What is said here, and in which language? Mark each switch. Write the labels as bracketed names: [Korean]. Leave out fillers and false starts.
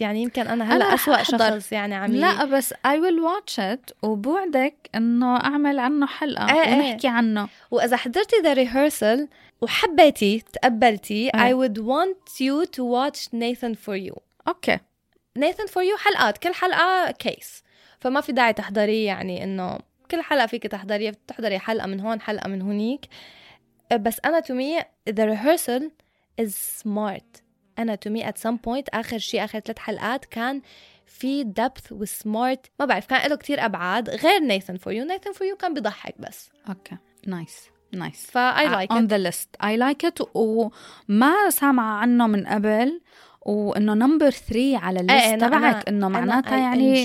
[Arabic] يعني يمكن أنا هلأ أنا أسوأ أحضر. شخص يعني عمي. لا بس [English] I will watch it, [Arabic] وبوعدك أنه أعمل عنه حلقة ونحكي عنه. وإذا حضرتي [English] the rehearsal [Arabic] وحبيتي تقبلتي [English] I would want you to watch Nathan for you. [Arabic] أوكي. Nathan for you حلقات, كل حلقة كيس, فما في داعي تحضري, يعني أنه كل حلقة فيك تحضري, تحضري حلقة من هون حلقة من هونيك. بس أنا [English] to me the rehearsal is smart. [Arabic] أنا [English] to me at some point [Arabic] آخر شيء آخر ثلاث حلقات كان في depth وsmart, ما بعرف كان له كتير أبعاد غير Nathan for you. Nathan for you كان بيضحك بس. [English] Okay, nice, nice. فI like on the list. I like it [Arabic] وما سامع عنه من قبل, وإنه [English] number three [Arabic] على list تبعك, إنه معناتها يعني